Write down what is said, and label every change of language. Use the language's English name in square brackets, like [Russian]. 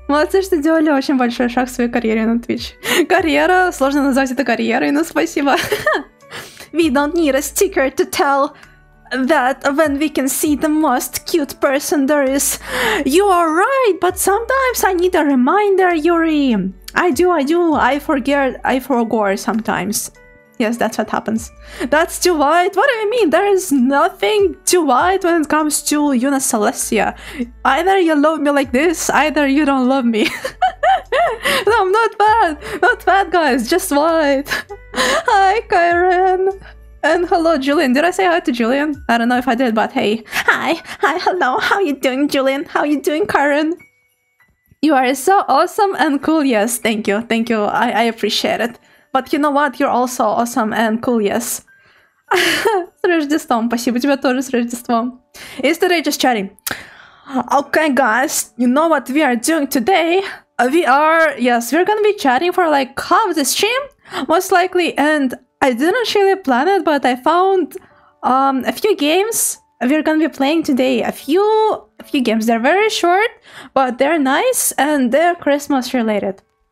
[Russian] Молодцы, что делали очень большой шаг в своей карьере на Twitch. Карьера? Сложно назвать это карьерой, но спасибо. [English] We don't need a sticker to tell that when we can see the most cute person there is. You are right, but sometimes I need a reminder, Yuri. I do. I forget sometimes. Yes, that's what happens. That's too white. What do you mean? There is nothing too white when it comes to Yuna Celestia. Either you love me like this, either you don't love me. No, I'm not bad. Not bad, guys. Just white. Hi, Kyren. And hello, Julian. Did I say hi to Julian? I don't know if I did, but hey. Hi. Hi, hello. How you doing, Julian? How you doing, Kyren? You are so awesome and cool. Yes, thank you. Thank you. I appreciate it. But you know what? You're also awesome and cool, yes. [Russian] С Рождеством, спасибо тебе тоже с Рождеством. [English] It's today just chatting. Okay, guys, you know what we are doing today? We're gonna be chatting for like half the stream, most likely. And I didn't really plan it, but I found a few games we're gonna be playing today. A few games. They're very short, but they're nice and they're Christmas related.